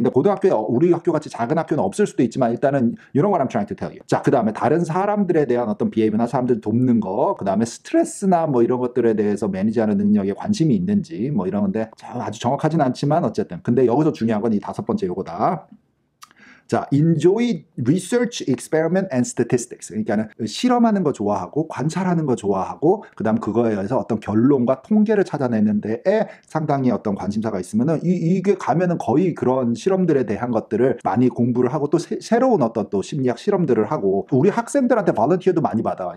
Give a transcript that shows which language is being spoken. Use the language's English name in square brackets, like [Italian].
[Korean] 근데 고등학교에 우리 학교같이 작은 학교는 없을 수도 있지만 일단은 이런 걸 [English] I'm trying to tell you. [Korean] 자, 그 다음에 다른 사람들에 대한 어떤 비헤이브나 사람들 돕는 거, 그 다음에 스트레스나 뭐 이런 것들에 대해서 매니지하는 능력에 관심이 있는지 뭐 이런 건데 아주 정확하진 않지만 어쨌든 근데 여기서 중요한 건 이 다섯 번째 요거다. [English] 자, enjoy research, experiment, and statistics. [Korean] 그러니까는 실험하는 거 좋아하고 관찰하는 거 좋아하고 그 다음 그거에 의해서 어떤 결론과 통계를 찾아내는 데에 상당히 어떤 관심사가 있으면은 이게 가면은 거의 그런 실험들에 대한 것들을 많이 공부를 하고 또 새로운 어떤 또 심리학 실험들을 하고 우리 학생들한테 volunteer도 많이 받아.